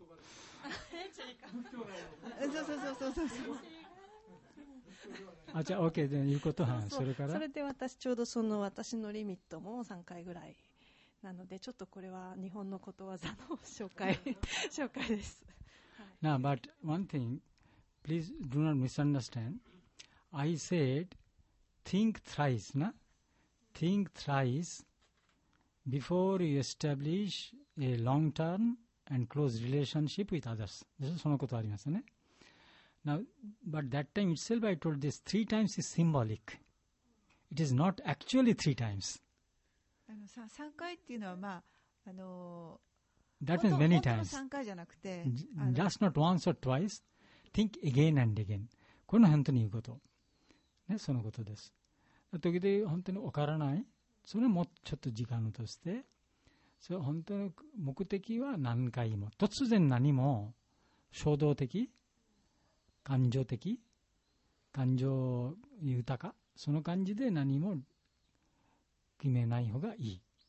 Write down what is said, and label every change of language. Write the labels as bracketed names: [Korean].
[Japanese] そうそうそうそうそうそう。あ、じゃあ OK でいうことは、それからそれで私ちょうどその私のリミットも3回ぐらいなので、ちょっとこれは日本のことわざの紹介です。 [English] Now, but one thing, please do not misunderstand. I said. Think thrice, na? Think thrice before you establish a long-term and close relationship with others. This is [Japanese] そのことありますね。 [English] Now, but that time itself I told this, three times is symbolic. It is not actually three times. [Japanese] 3回っていうのは、まあ、あの、 [English] that means many times. [Japanese] 本当の3回じゃなくて、 [English] just not once or twice. Think again and again. [Japanese] これの本当に言うこと。ね、そのことです。時々本当に分からない、それもちょっと時間として、それ本当の目的は何回も、突然何も衝動的、感情的、感情豊か、その感じで何も決めない方がいい。